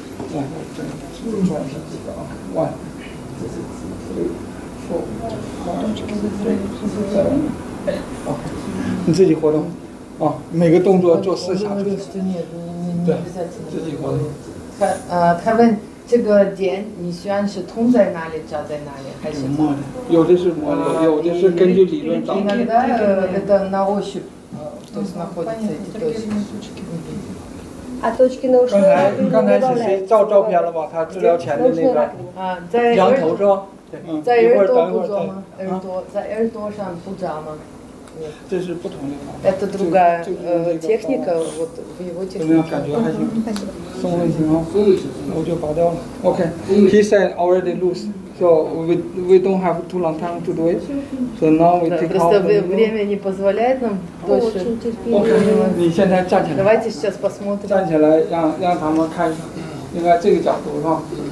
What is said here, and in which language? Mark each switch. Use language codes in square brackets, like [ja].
[zh] 对，这转你自己活动，啊，每个动作做四下。对，自己活动。他问这个点，你虽然是痛在哪里，扎在哪里，还是摸的？有的是摸的，有的是根据理论找。 [ru] иногда это на ощупь, то есть находятся эти точки. А точки на ушах. [zh] 刚才是谁照照片了吗？他治疗前的那个。在羊头是吧？在耳朵不扎吗？耳朵在耳朵上不扎吗？这是不同的。 [ru] это другая техника, вот в его технике. [zh] 怎么样？感觉还行。松了一些吗？松了一些，我就拔掉了。 [en] OK, he said already loose, so we don't have too long time to do it. So now we take off. [ru] 对，просто время не позволяет нам дольше. [zh] OK, 你现在站起来。 [ru] Давайте сейчас посмотрим. [zh] 站起来，让他们看一下，应该这个角度是吧？